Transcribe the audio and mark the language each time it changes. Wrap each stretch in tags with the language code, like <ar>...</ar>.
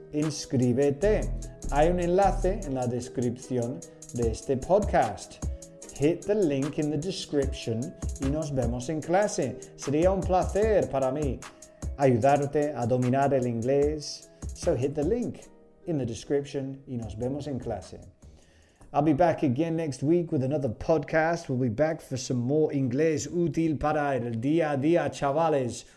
<es>Inscríbete. Hay un enlace en la descripción de este podcast.</es> <en>Hit the link in the description</en> <es>y nos vemos en clase. Sería un placer para mí ayudarte a dominar el inglés.</es> <en>So hit the link in the description</en> <es>y nos vemos en clase.</es> <en>I'll be back again next week with another podcast. We'll be back for some more</en> <es>inglés útil para el día a día, chavales.</es>